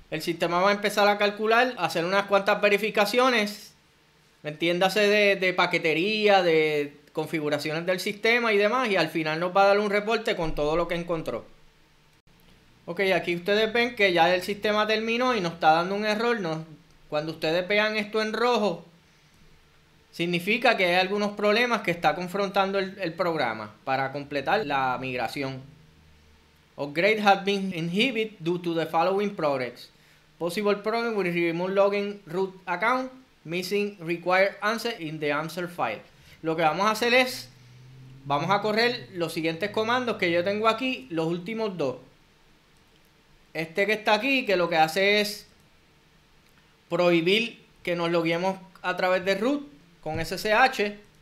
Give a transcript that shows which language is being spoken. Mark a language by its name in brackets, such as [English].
[Spanish] El sistema va a empezar a calcular, hacer unas cuantas verificaciones, entiéndase de paquetería, de configuraciones del sistema y demás, y al final nos va a dar un reporte con todo lo que encontró. Ok, aquí ustedes ven que ya el sistema terminó y nos está dando un error, ¿no? Cuando ustedes vean esto en rojo, significa que hay algunos problemas que está confrontando el programa para completar la migración. [English] Upgrade has been inhibited due to the following progress. Possible problem with remote login root account. Missing required answer in the answer file. [Spanish] Lo que vamos a hacer es, vamos a correr los siguientes comandos que yo tengo aquí, los últimos dos. Este que está aquí, que lo que hace es prohibir que nos logueemos a través de root con SSH.